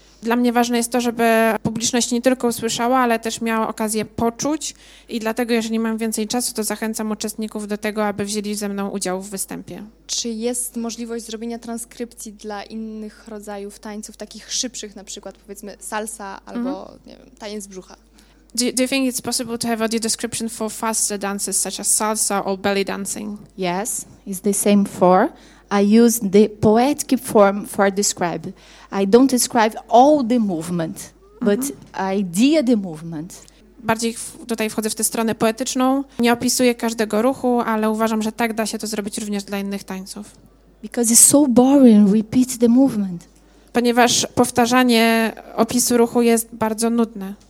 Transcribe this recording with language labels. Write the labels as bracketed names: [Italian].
[Polish] Dla mnie ważne jest to, żeby publiczność nie tylko usłyszała, ale też miała okazję poczuć. I dlatego, jeżeli mam więcej czasu, to zachęcam uczestników do tego, aby wzięli ze mną udział w występie. Czy jest możliwość zrobienia transkrypcji dla innych rodzajów tańców, takich szybszych, na przykład powiedzmy salsa albo nie wiem, taniec brzucha? [English] Do you think it's possible to have audio description for faster dances such as salsa or belly dancing? Yes, it's the same for. I use the poetic form for describe. I don't describe all the movement, but idea the movement. [Polish] Bardziej tutaj wchodzę w tę stronę poetyczną. Nie opisuję każdego ruchu, ale uważam, że tak da się to zrobić również dla innych tańców. [English] Because it's so boring, repeat the movement. [Polish] Ponieważ powtarzanie opisu ruchu jest bardzo nudne.